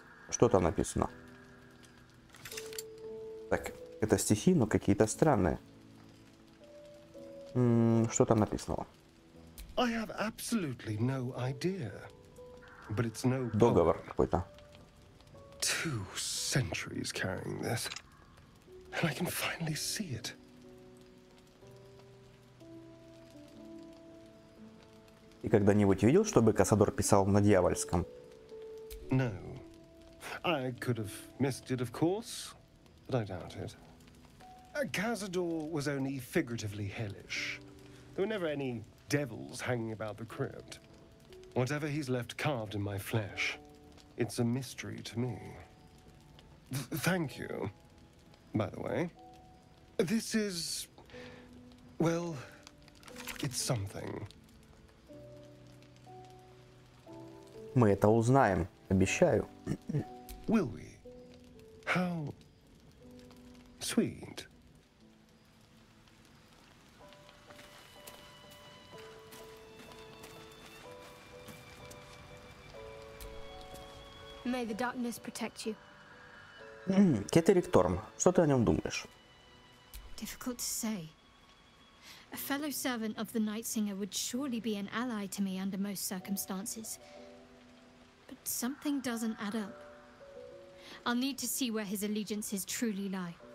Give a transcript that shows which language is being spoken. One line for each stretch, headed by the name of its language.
Russian: Что-то написано. Так, это стихи, но какие-то странные. Что там написано?
English: I have absolutely no idea, but it's no
Russian: договор какой-то.
English: Two centuries carrying this, and I can finally see it.
Russian: И когда-нибудь видел, чтобы Кассадор писал на дьявольском?
English: No. I could have missed it, of course, but I doubt it. Cazador was only figuratively hellish. There were never any devils hanging about the crypt. Whatever he's left carved in my flesh, it's a mystery to me. Thank you, by the way. This is... well, it's something.
Russian: Мы это узнаем, обещаю.
English: Will we? How sweet. May the darkness protect you.
Russian: Кетерик Торм, что ты о нем думаешь?
English: Difficult to say. A fellow servant of the Night Singer would surely be an ally to me under most circumstances. But something doesn't add up. I'll need to see where his allegiances truly lie.